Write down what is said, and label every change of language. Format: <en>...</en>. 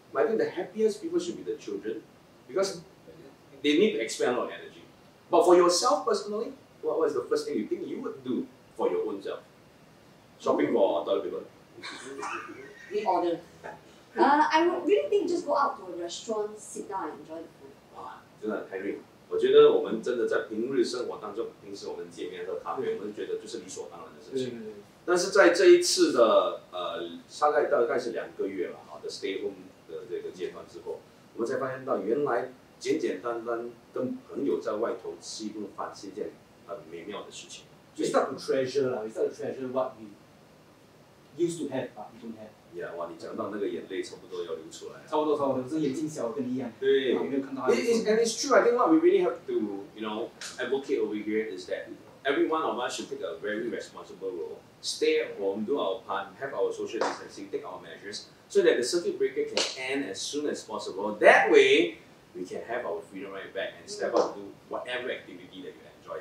<en>But I think the happiest people should be the children, because they need to expend a lot of energy. But for yourself personally, what was the first thing you think you would do for your own self? Shopping for toilet paper. I would really think just go out to a restaurant, sit down and enjoy the food.</en> <zh>真的太累。我觉得我们真的在平日生活当中，平时我们见面喝咖啡，我们觉得就是理所当然的事情。但是在这一次的大概是两个月了哈的</zh> <en>stay home</en> <zh>的这个阶段之后，我们才发现到原来简简单单跟朋友在外头吃一顿饭是一件很美妙的事情。</zh> <en>We start to treasure lah. We start to treasure what we used to have, but we don't have. Yeah,</en> <zh>哇，你讲到那个眼泪差不多要流出来了。差不多，这眼睛小跟你一样。对，有没有看到他的</zh> <en>？It's and it's true. I think what we really have to, you know, advocate over here is that every one of us should take a very responsible role. Stay at home, do our part, have our social distancing, take our measures, so that the circuit breaker can end as soon as possible. That way, we can have our freedom right back and step out to do whatever activity that you enjoy.</en>